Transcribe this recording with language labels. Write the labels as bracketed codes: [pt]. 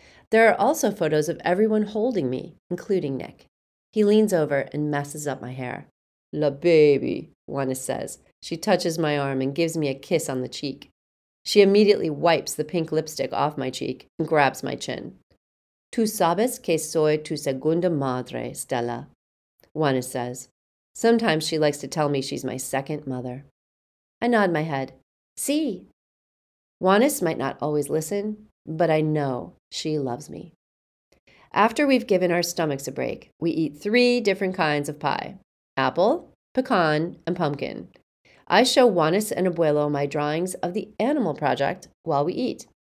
[en] There are also photos of everyone holding me, including Nick. He leans over and messes up my hair. La baby, Juana says. She touches my arm and gives me a kiss on the cheek. She immediately wipes the pink lipstick off my cheek and grabs my chin. [es] Tú sabes que soy tu segunda madre, Stella, Juana says. [en] Sometimes she likes to tell me she's my second mother. I nod my head. Sí. Juanes might not always listen, but I know she loves me. After we've given our stomachs a break, we eat three different kinds of pie. Apple, pecan, and pumpkin. I show Juanes and Abuelo my drawings of the animal project while we eat.